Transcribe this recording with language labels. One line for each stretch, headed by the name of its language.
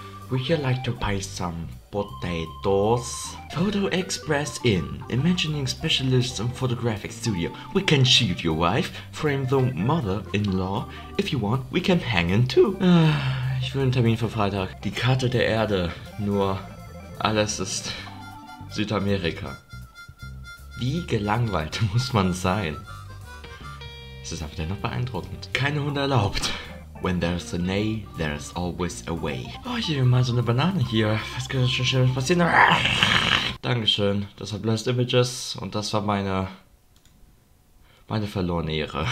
English: Would you like to buy some potatoes? Photo Express Inn. Imagining specialists in photographic studio. We can shoot your wife, frame the mother-in-law. If you want, we can hang in too.
German: Ich will einen Termin für Freitag. Die Karte der Erde. Nur alles ist Südamerika. Wie gelangweilt muss man sein? Es ist aber dennoch beeindruckend. Keine Hunde erlaubt.
English: When there's a nay, there's always a way.
German: Oh, hier mal so eine Banane hier. Was könnte schon schön passieren? Dankeschön. Das war Blessed Images. Und das war meine verlorene Ehre.